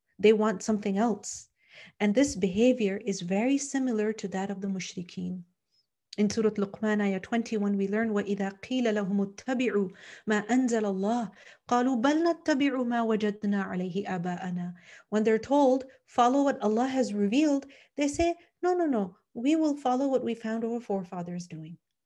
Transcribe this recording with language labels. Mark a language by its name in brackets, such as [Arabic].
[English] They want something else. And this behavior is very similar to that of the mushrikeen. In Surah Luqman, ayah 21, we learn, [Arabic] وَإِذَا قِيلَ لَهُمُ اتَّبِعُوا مَا أَنزَلَ اللَّهُ قَالُوا بَلْ نَتَّبِعُوا مَا وَجَدْنَا عَلَيْهِ آبَاءَنَا. [English] When they're told, follow what Allah has revealed, they say, no, we will follow what we found our forefathers doing.